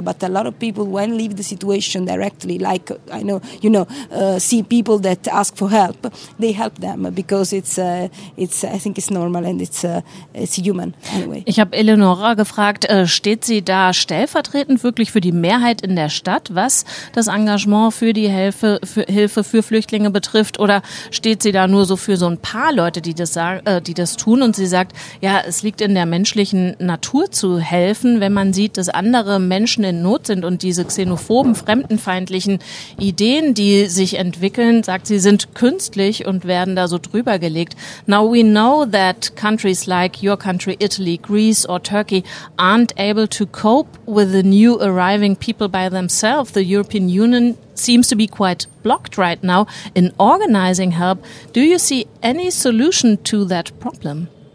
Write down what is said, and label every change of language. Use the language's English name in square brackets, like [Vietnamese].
[English] But a lot of people, when leave the situation directly, like I know, you know, see people that ask for help, they help them because it's I think it's normal and it's human anyway. [German] Ich habe Eleonora gefragt, steht sie da stellvertretend wirklich für die Mehrheit in der Stadt, was das Engagement für die Hilfe für Flüchtlinge betrifft, oder steht sie da nur so für so ein paar Leute, die das tun? Und sie sagt, ja, es liegt in der menschlichen Natur zu helfen, wenn man sieht, dass andere Menschen in Not sind und diese xenophoben, fremdenfeindlichen Ideen, die sich entwickeln, sagt sie, sind künstlich und werden da so drüber gelegt. [English] Now we know that countries like your country, Italy, Greece or Turkey aren't able to cope with the new arriving people by themselves. The European Union seems to be quite blocked right now in organizing help. Do you see any solution to that problem?